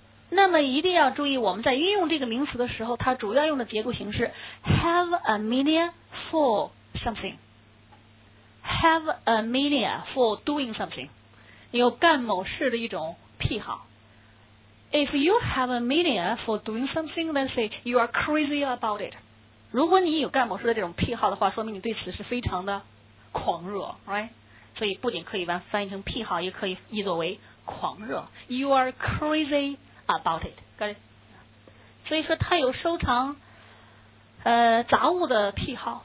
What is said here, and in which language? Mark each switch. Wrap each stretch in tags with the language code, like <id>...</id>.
<zh>那么一定要注意，我们在运用这个名词的时候，它主要用的结构形式</zh> <en>have a mania for something， have a mania for doing something.</en> <zh>你有干某事的一种癖好。</zh> <en>If you have a mania for doing something, then say you are crazy about it.</en> <zh>如果你有干某事的这种癖好的话，说明你对此是非常的狂热， right? 所以不仅可以翻译成癖好，也可以译作为狂热。</zh> <en>You are crazy about it. Got it?</en> <zh>所以说他有收藏杂物的癖好。</zh>